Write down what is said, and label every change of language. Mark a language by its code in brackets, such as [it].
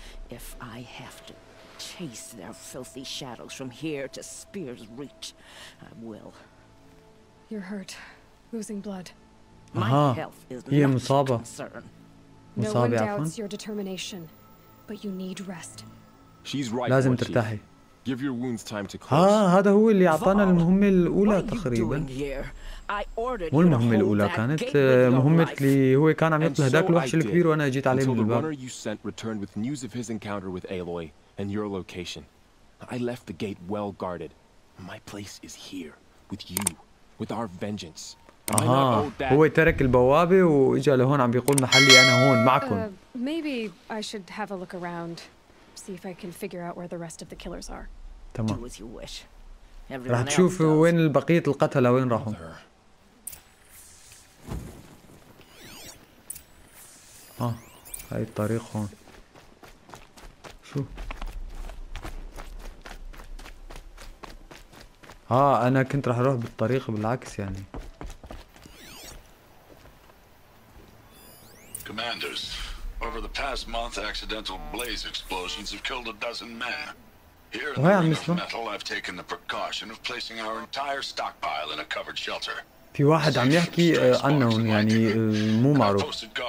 [en] If I have to chase their filthy shadows from here to Spear's Reach, I will. You're hurt. Losing blood. My health is not a concern. No one doubts your determination, but you need rest. She's right. [ar] لازم ترتاحي. [en] Give your wounds time to close. [ar] هذا هو اللي اعطانا المهمة الاولى تقريبا. مو المهمة الاولى كانت مهمة اللي هو كان عم يطلع هداك الوحش الكبير وانا جيت عليه من الباب. [en] The runner you sent returned with news of his encounter with Aloy and your location. I left the gate well guarded. My place is here with you, with our vengeance. [ar] هو ترك البوابة واجا لهون عم بيقول محلي انا هون معكم. [en] Maybe I should have a look around. See if I can figure out where the rest of the killers are. [ar] تمام. راح تشوف وين البقية القتلة وين راحوا. هاي الطريق هون. شو؟ أنا كنت راح أروح بالطريق بالعكس يعني. [en] Commanders. Over the past month, accidental blaze explosions have killed a dozen men. Here in the ring of metal, I've taken the precaution of placing our entire stockpile in a covered shelter. [ar] في واحد عم يحكي عنهم يعني مو معروف.